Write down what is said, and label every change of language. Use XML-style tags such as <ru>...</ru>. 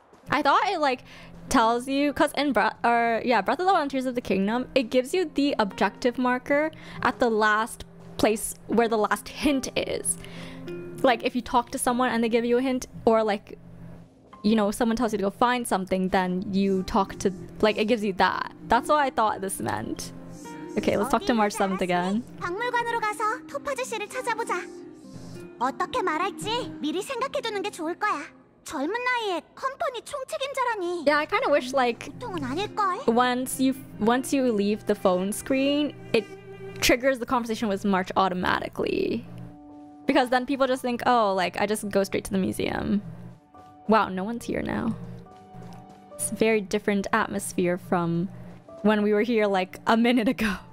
<en>I thought it, like, tells you, because in Breath of the Wild and Tears of the Kingdom, it gives you the objective marker at the last place where the last hint is. Like, if you talk to someone and they give you a hint, or, like, you know, someone tells you to go find something, then you talk to, like, it gives you that. That's what I thought this meant. Okay, let's talk to March 7th again.</en> <ko>박물관으로 가서 토파즈 씨를 찾아보자. 어떻게 말할지 미리 생각해 두는 게 좋을 거야. 젊은 나이에 컴퍼니 총책임자라니.</ko> <en>Yeah, I kind of wish like once you leave the phone screen, it triggers the conversation with March automatically. Because then people just think, oh, like, I just go straight to the museum. Wow, no one's here now. It's a very different atmosphere from when we were here, like, a minute ago.</en>